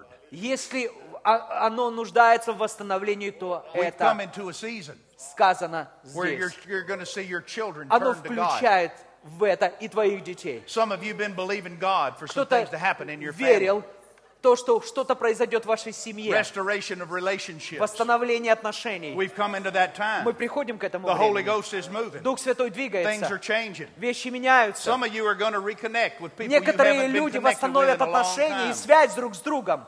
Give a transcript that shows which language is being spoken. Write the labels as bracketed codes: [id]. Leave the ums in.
[ru] Если оно нуждается в восстановлении, то это сказано здесь. Оно включает [en] Some of you have been believing God for some things to happen in your family. [ru] то, что что-то произойдет в вашей семье. Восстановление отношений. Мы приходим к этому времени. Дух Святой двигается. Вещи меняются. Некоторые люди восстановят отношения и связь друг с другом.